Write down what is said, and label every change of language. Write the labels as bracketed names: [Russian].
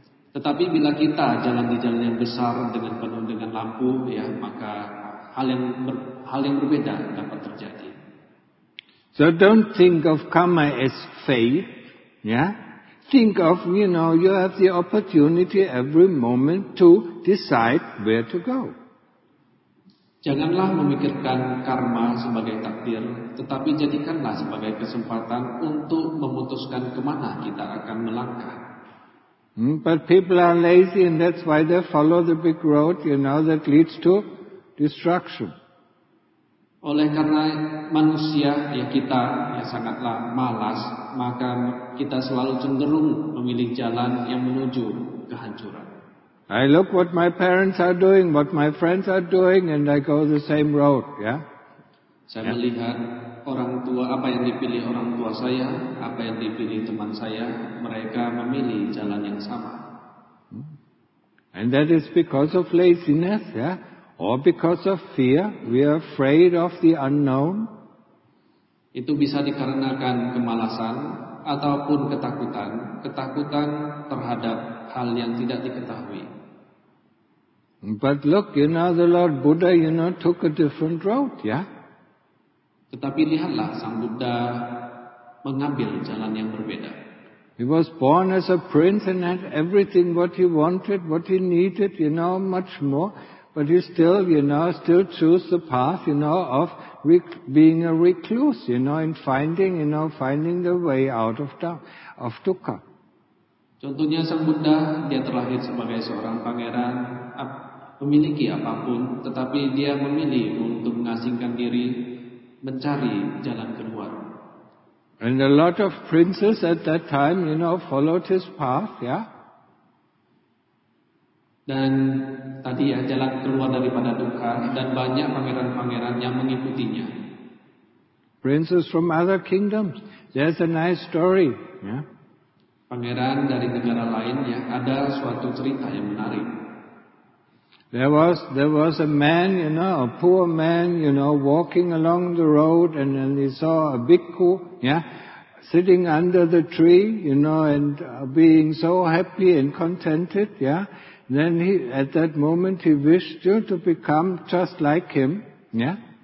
[Indonesian] Tetapi bila kita jalan di jalan yang besar dengan penuh dengan lampu, ya, maka hal yang berbeda dapat terjadi. [English] So don't think of karma as fate, yeah? Think of, you know, you have the opportunity every moment to decide where to go. [Indonesian] Janganlah memikirkan karma sebagai takdir, tetapi jadikanlah sebagai kesempatan untuk memutuskan kemana kita akan melangkah. [English] But people are lazy and that's why they follow the big road, you know, that leads to destruction. [Indonesian] Oleh karena manusia, ya kita, ya sangatlah malas, maka kita selalu cenderung memilih jalan yang menuju kehancuran. [English] I look what my parents are doing, what my friends are doing, and I go the same road, yeah? [Indonesian] Saya melihat orang tua, apa yang dipilih orang tua saya, apa yang dipilih teman saya, mereka memilih jalan yang sama. [English] And that is because of laziness, yeah? Or because of fear, we are afraid of the unknown. [Indonesian] Itu bisa dikarenakan kemalasan ataupun ketakutan, ketakutan terhadap hal yang tidak diketahui. [English] But look, you know, the Lord Buddha, you know, took a different road, yeah? [Indonesian] Tetapi lihatlah, Sang Buddha mengambil jalan yang berbeda. [English] He was born as a prince and had everything what he wanted, what he needed, you know, much more. But he still, you know, still choose the path, you know, of being a recluse, you know, in finding, you know, finding the way out of dukkha. [Indonesian] Contohnya Sang Buddha, dia terlahir sebagai seorang pangeran, memiliki apapun, tetapi dia memilih untuk mengasingkan diri, mencari jalan keluar. [English] And a lot of princes at that time, you know, followed his path, yeah? [Indonesian] Dan tadi ya, jalan keluar daripada dukkha, dan banyak pangeran-pangeran yang mengikutinya. [English] Princes from other kingdoms. There's a nice story. Yeah. [Indonesian] Pangeran dari negara lain, ya, ada suatu cerita yang menarik. [English] There was a man, you know, a poor man, you know, walking along the road, and then he saw a bhikkhu, yeah, sitting under the tree, you know, and being so happy and contented, yeah. Then he, at that moment, he wished to become just like him, yeah.